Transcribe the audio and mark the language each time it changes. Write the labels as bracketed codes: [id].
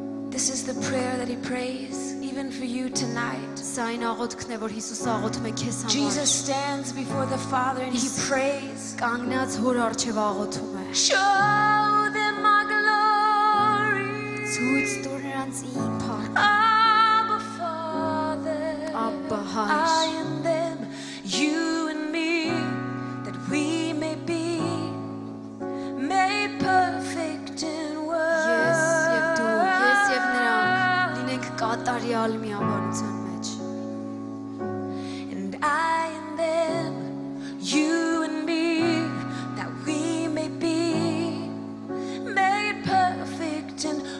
[en] This is the prayer that he prays even for you tonight. Jesus stands before the Father and he prays. Show [hy] Ցույց տուր նրանց իմ փառքը. [en] Abba Father. [hy] Աբա Հայր. [en] I in them, you and me, that we may be made perfect in word. [hy] Ես եւ նրանք լինենք կատարյալ միաբանության մեջ. [en] And I in them, you and me, that we may be made perfect in